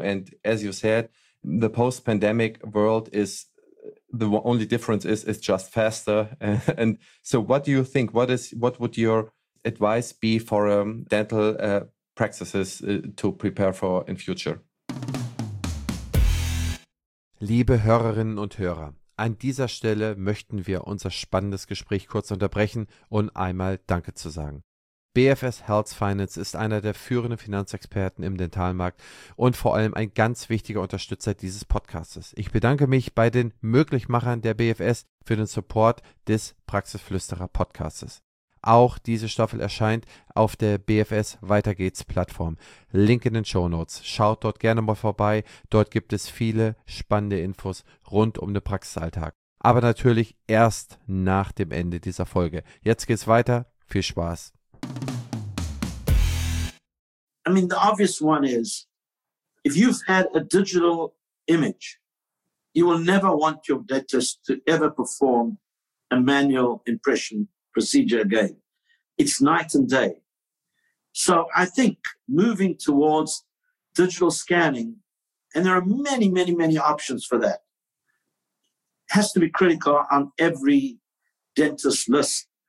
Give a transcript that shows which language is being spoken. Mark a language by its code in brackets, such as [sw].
[en] And as you said, the post-pandemic world is the only difference is just faster. And so what do you think, what would your advice be for dental practices to prepare for in future? [de] Liebe Hörerinnen und Hörer, an dieser Stelle möchten wir unser spannendes Gespräch kurz unterbrechen und einmal Danke zu sagen. BFS Health Finance ist einer der führenden Finanzexperten im Dentalmarkt und vor allem ein ganz wichtiger Unterstützer dieses Podcastes. Ich bedanke mich bei den Möglichmachern der BFS für den Support des Praxisflüsterer Podcastes. Auch diese Staffel erscheint auf der BFS Weitergeht's Plattform. Link in den Shownotes. Schaut dort gerne mal vorbei. Dort gibt es viele spannende Infos rund um den Praxisalltag. Aber natürlich erst nach dem Ende dieser Folge. Jetzt geht's weiter. Viel Spaß. [en] I mean, the obvious one is, if you've had a digital image, you will never want your dentist to ever perform a manual impression procedure again. It's night and day. So I think moving towards digital scanning, and there are many, many, many options for that, has to be critical on every dentist list.